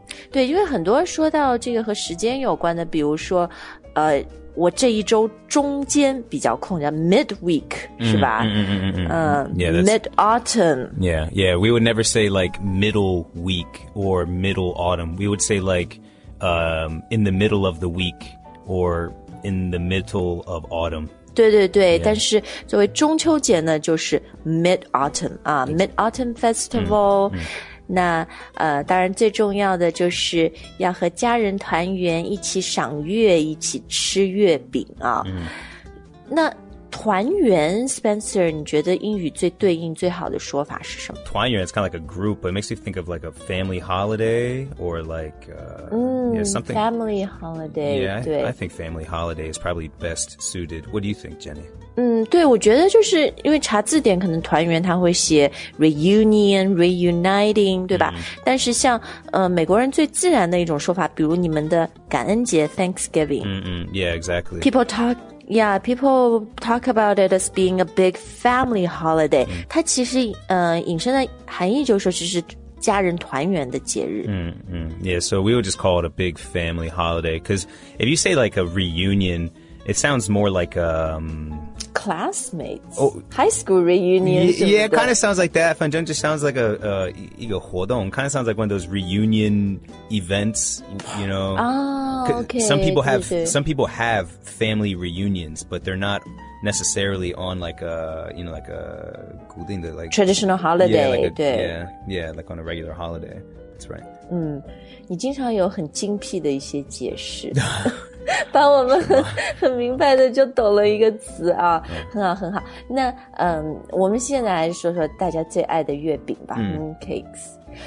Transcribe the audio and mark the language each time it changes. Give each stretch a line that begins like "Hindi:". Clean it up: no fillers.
Chinese: 对因为很多说到这个和时间有关的比如说我这一周中间比较空叫 Mid-Week 是吧 Mid-Autumn
English: Yeah, yeah, we would never say like Middle Week or Middle Autumn We would say like in the middle of the week orIn the middle of autumn.
Chinese: 对对对、yeah. 但是作为中秋节呢就是 mid-autumn,、mid-autumn festival. 那当然最重要的就是要和家人团圆一起赏月一起吃月饼啊。那团圆 ,Spencer, 你觉得英语最对应最好的说法是什么
English: 团圆 it's kind of like a group, but it makes you think of like a family holiday, or like, something. Family holiday, yeah, 对。I think family holiday is probably best suited. What do you think, Jenny?
Chinese: 对我觉得就是因为查字典可能团圆它会写 reunion, reuniting, 对吧、但是像美国人最自然的一种说法比如你们的感恩节 ,Thanksgiving.
English: Yeah, exactly. Yeah, people talk about it as being a big family holiday.
Chinese: 它其实引申的含义就是说这是家人团圆的节日。
English: Yeah, so we would just call it a big family holiday. Because if you say like a reunion, it sounds more like a... Classmates? Oh, high school reunion. Yeah, it kind of sounds like that.
Chinese: 反正就
English: sounds like a
Chinese: 一个活动
English: Kind of sounds like one of those reunion events, you know. Some people have family reunions, but they're not necessarily on like a, you know, like a
Chinese: 固定的,
English: like, traditional holiday. Yeah, like on a regular holiday. That's right.
Chinese: 你经常有很精辟的一些解释。帮我们很明白的就懂了一个词啊、很好很好。那我们现在来说说大家最爱的月饼吧 ,mooncakes。